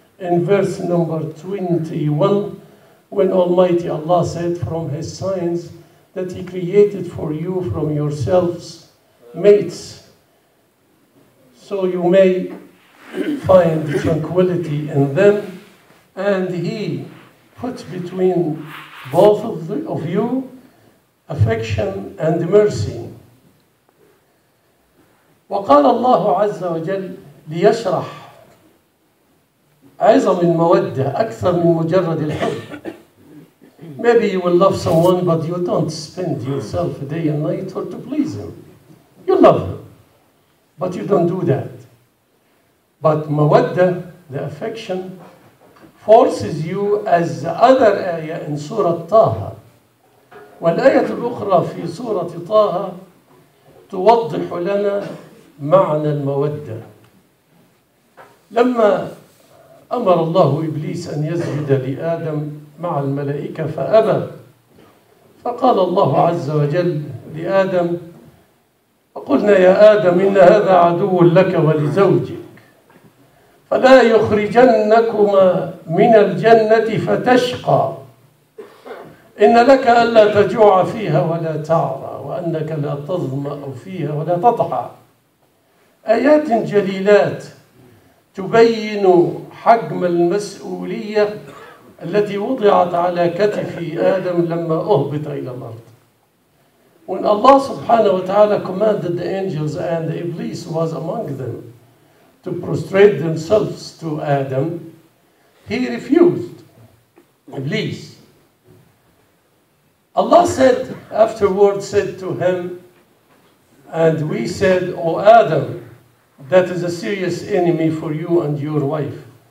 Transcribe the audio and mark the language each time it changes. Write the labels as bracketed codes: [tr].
[en] in verse number 21, when Almighty Allah said from His signs that He created for you from yourselves mates, so you may find tranquility in them, and He puts between both of you affection and mercy. [ar] وقال الله عز وجل ليشرح عظم المودة أكثر من مجرد الحب. [en] Maybe you will love someone, but you don't spend yourself day and night or to please him. You love him, but you don't do that. But mawadda, the affection, forces you, as the other ayah in Surah Taha. [ar] والآية الأخرى في سورة طه توضح لنا معنى المودة. لما أمر الله إبليس أن يسجد لآدم مع الملائكة فأبى، فقال الله عز وجل لآدم: وقلنا يا آدم إن هذا عدو لك ولزوجك فلا يخرجنكما من الجنة فتشقى، إن لك ألا تجوع فيها ولا تعرى وأنك لا تظمأ فيها ولا تطحى. آيات جليلات تبين حجم المسؤولية التي وضعت على كتف آدم لما أهبط إلى الأرض. [en] When Allah subhanahu wa ta'ala commanded the angels, and Iblis was among them, to prostrate themselves to Adam, he refused. Iblis. Allah said afterwards, said to him, and we said, O Adam, that is a serious enemy for you and your wife.